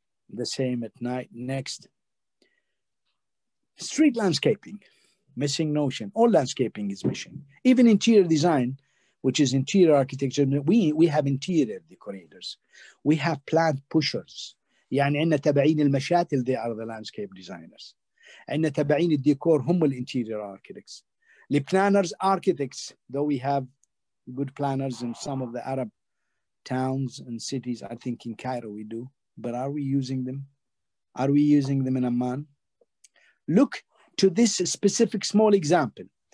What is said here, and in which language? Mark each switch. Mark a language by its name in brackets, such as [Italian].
[English] The same at night. Next. Street landscaping, missing notion. All landscaping is missing. Even interior design, which is interior architecture, we have interior decorators. We have plant pushers. [Arabic] يعني عنا تبعين المشاتل, [English] they are the landscape designers. [Arabic] عنا تبعين الديكور هم الانتيرير architects. [English] The planners, architects, though we have good planners in some of the Arab towns and cities, I think in Cairo we do, but are we using them? Are we using them in Amman? Look to this specific small example.